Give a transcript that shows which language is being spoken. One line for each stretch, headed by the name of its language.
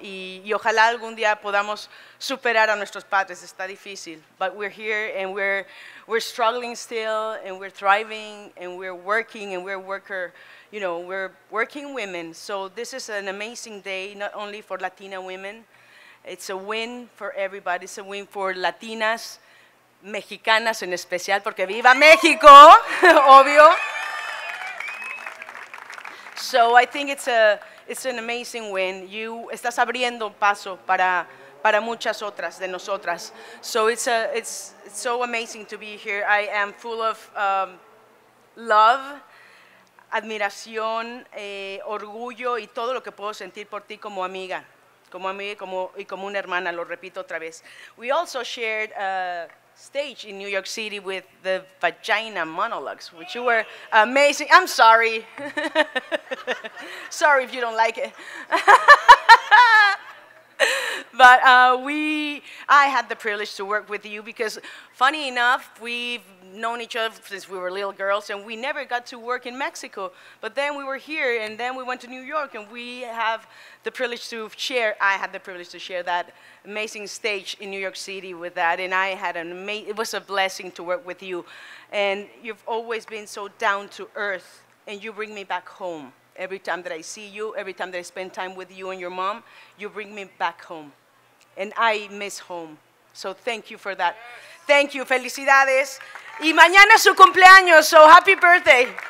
Spanish: Y ojalá algún día podamos superar a nuestros padres. Está difícil.
English: But we're here and we're struggling still and we're thriving and we're working and we're worker, you know, we're working women. So this is an amazing day, not only for Latina women. It's a win for everybody. It's a win for Latinas,
Spanish: Mexicanas en especial, porque viva México, obvio.
English: So I think it's an amazing win. You
Spanish: estás abriendo paso para muchas otras de nosotras.
English: So it's so amazing to be here. I am full of love,
Spanish: admiración, orgullo y todo lo que puedo sentir por ti como amiga, como amiga como y como una hermana. Lo repito otra vez.
English: We also shared a stage in New York City with the Vagina Monologues, which you were amazing. I'm sorry. Sorry if you don't like it. But I had the privilege to work with you because, funny enough, we've known each other since we were little girls, and we never got to work in Mexico. But then we were here, and then we went to New York, and I had the privilege to share that amazing stage in New York City with that, and I had it was a blessing to work with you. And you've always been so down to earth, and you bring me back home. Every time that I see you, every time that I spend time with you and your mom, you bring me back home. And I miss home. So thank you for that. Yes. Thank you.
Spanish: Felicidades. Y mañana es su cumpleaños,
English: so happy birthday.